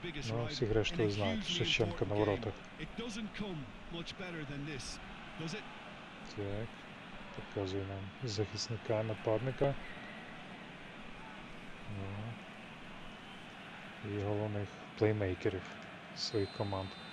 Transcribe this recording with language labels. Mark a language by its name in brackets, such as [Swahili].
[Ukrainian] Ну, всі решту знають, Шевченко на воротах. [English] It doesn't come much better than this, does it? [Ukrainian] Так. Показує нам захисника, нападника. І головних плеймейкерів своїх команд.